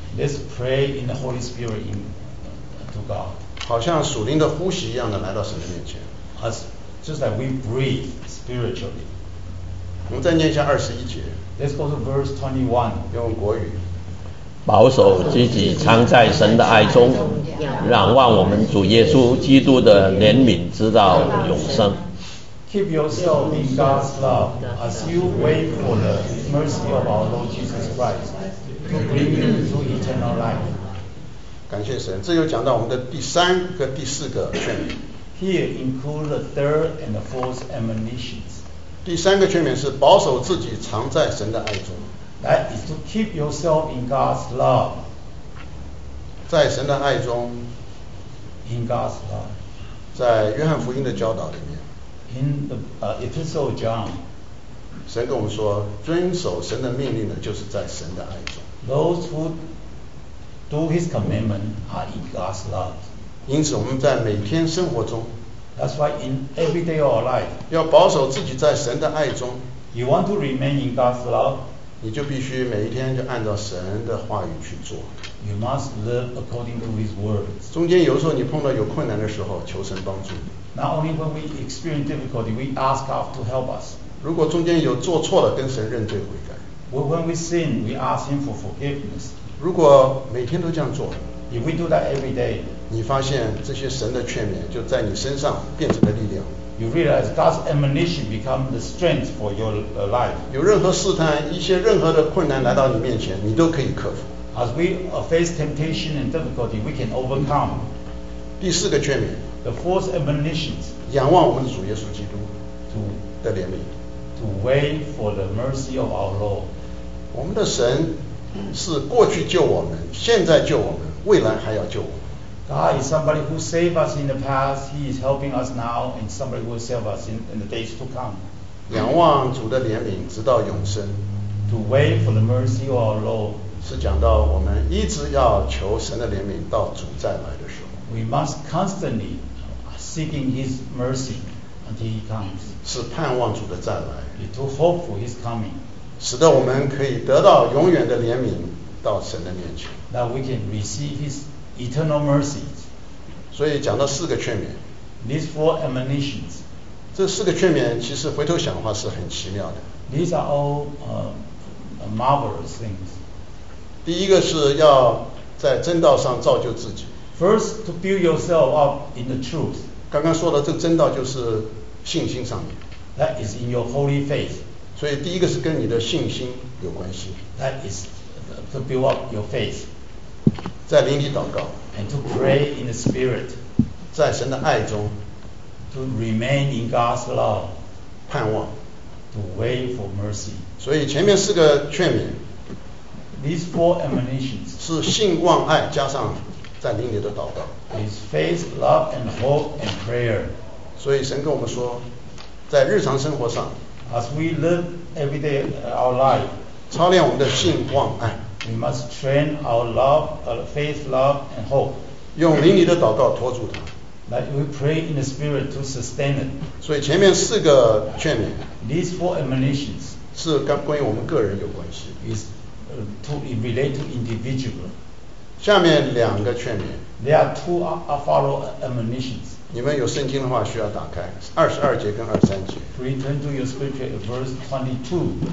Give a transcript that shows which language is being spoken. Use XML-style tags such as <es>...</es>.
<en>Let's pray in the Holy Spirit in to God.</en> <zh>好像属灵的呼吸一样的来到神的面前</zh> <en>As, just like we breathe spiritually</en> <zh>我们再念一下二十一节</zh> <en>Let's go to verse 21</en> <zh>用国语保守自己藏在神的爱中，让望我们主耶稣基督的怜悯直到永生。</zh> <en>Keep yourself in God's love as you wait for the mercy of our Lord Jesus Christ to bring you to eternal life.</en> <zh>感谢神，这又讲到我们的第三和第四个劝勉。</zh> <en>Here include the third and the fourth admonitions.</en> <zh>第三个劝勉是保守自己藏在神的爱中。</zh> <en>That is to keep yourself in God's love.</en> <zh>在神的爱中。</zh> <en>In God's love.</en> <zh>在约翰福音的教导里面。</zh> <en>In the Epistle of John,</en> <zh>神跟我们说，遵守神的命令呢，就是在神的爱中。</zh> <en>Those who do His commandment are in God's love.</en> <zh>因此，我们在每天生活中</zh> <en>，That's why in every day of our life,</en> <zh>要保守自己在神的爱中。</zh> <en>You want to remain in God's love,</en> <zh>你就必须每一天就按照神的话语去做。</zh> <en>You must live according to His words.</en> <zh>中间有时候你碰到有困难的时候，求神帮助你。</zh> <en>Not only when we experience difficulty, we ask God to help us.</en> <zh>如果中间有做错了，跟神认罪悔改。</zh> <en>When we sin, we ask Him for forgiveness.</en> <zh>如果每天都这样做</zh> <en>，If we do that every day,</en> <zh>你发现这些神的劝勉就在你身上变成了力量。</zh> <en>You realize God's admonition become the strength for your life.</en> <zh>有任何试探，一些任何的困难来到你面前，你都可以克服。</zh> <en>As we face temptation and difficulty, we can overcome.</en> <zh>第四个劝勉。</zh> <en>The fourth admonition.</en> <zh>仰望我们的主耶稣基督的怜悯。</zh> <en>To wait for the mercy of our Lord.</en> <zh>我们的神是过去救我们，现在救我们，未来还要救我们。</zh> <en>God is somebody who saved us in the past. He is helping us now, and somebody who will save us in the days to come.</en> <zh>仰望主的怜悯，直到永生。</zh> <en>To wait for the mercy of our Lord.</en> <zh>是讲到我们一直要求神的怜悯，到主再来的时候。</zh> <en>We must constantly seeking His mercy until He comes.</en> <zh>是盼望主的再来。</zh> <en>To hope for His coming.</en> <zh>使得我们可以得到永远的怜悯到神的面前。</zh> <en>That we can receive His eternal mercies.</en> <zh>所以讲到四个劝勉。</zh> <en>These four admonitions.</en> <zh>这四个劝勉其实回头想的话是很奇妙的。</zh> <en>These are all marvelous things.</en> <zh>第一个是要在真道上造就自己。</zh> <en>First, to build yourself up in the truth.</en> <zh>刚刚说的这个真道就是信心上面。</zh> <en>That is in your holy faith.</en> <zh>所以第一个是跟你的信心有关系。</zh> <en>That is to build up your faith.</en> <zh>在灵里祷告。</zh> <en>And to pray in the spirit.</en> <zh>在神的爱中。</zh> <en>To remain in God's love.</en> <zh>盼望。</zh> <en>To wait for mercy.</en> <zh>所以前面四个劝勉。</zh> <en>These four admonitions.</en> <zh>是信望爱加上。在灵里的祷告。</zh> <en>Is faith, love, and hope, and prayer.</en> <zh>所以神跟我们说，在日常生活上</zh> <en>，As we live every day our life,</en> <zh>操练我们的信望爱。</zh> <en>We must train our love, faith, love, and hope.</en> <zh>用灵里的祷告托住它。</zh> <en>That we pray in the spirit to sustain it.</en> <zh>所以前面四个劝勉</zh> <en>，These four admonitions</en> <zh>是跟关于我们个人有关系。</zh> <en>Is to relate to individual.</en> <zh>下面两个劝勉。</zh> <en>There are two follow admonitions.</en> <zh>你们有圣经的话需要打开二十二节跟二十三节。</zh> <en>Please turn to your scripture at verse 22.</en>